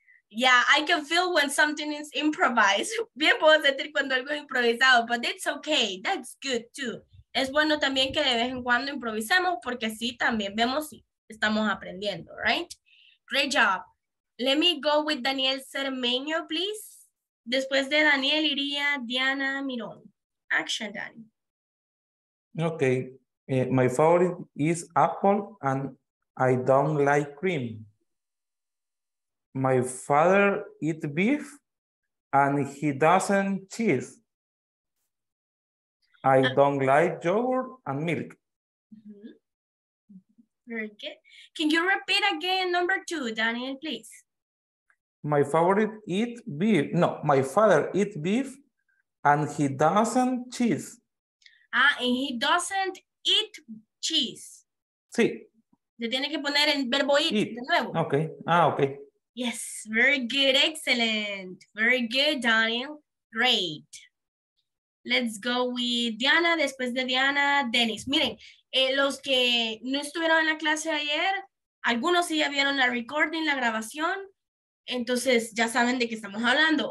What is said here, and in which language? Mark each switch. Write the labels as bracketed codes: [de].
[en] Yeah, I can feel when something is improvised. [es] Bien puedo sentir cuando algo es improvisado, [en] but it's okay. That's good too. [es] Es bueno también que de vez en cuando improvisemos porque así también vemos si estamos aprendiendo, right? [en] Great job. Let me go with Daniel Cermeño, please. [es] Después de Daniel iría Diana Mirón. Action, Dani. [en] Okay. My favorite is apple and I don't like cream. My father eats beef and he doesn't cheese. I don't like yogurt and milk. Very good. Can you repeat again number two, Daniel, please? My favorite eat beef. No, my father eats beef and he doesn't cheese. Ah, and he doesn't eat cheese. [es] Sí. Le tiene que poner el verbo eat de nuevo. [en] Okay. Ah, okay. Yes, very good. Excellent. Very good, Daniel. Great. Let's go with Diana, [es] después de Diana, [en] Dennis. [es] Miren, los que no estuvieron en la clase ayer, algunos sí ya vieron la recording, la grabación, entonces ya saben de qué estamos hablando.